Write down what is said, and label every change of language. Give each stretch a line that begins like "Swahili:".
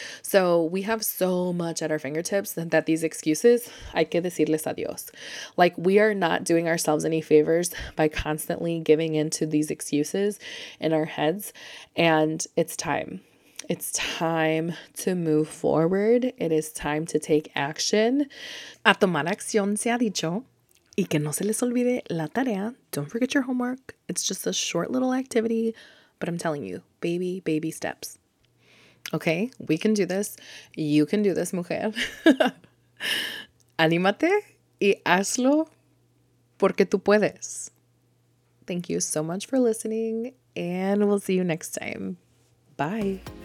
English: So we have so much at our fingertips that these excuses,
Spanish: hay que decirles adios.
English: Like, we are not doing ourselves any favors by constantly giving in to these excuses in our heads. And it's time. It's time to move forward. It is time to take action.
Spanish: A tomar acción se ha dicho. Y que no se les olvide la tarea.
English: Don't forget your homework. It's just a short little activity. But I'm telling you, baby, baby steps. Okay, we can do this. You can do this, mujer.
Spanish: Anímate y hazlo porque tú puedes.
English: Thank you so much for listening, and we'll see you next time. Bye.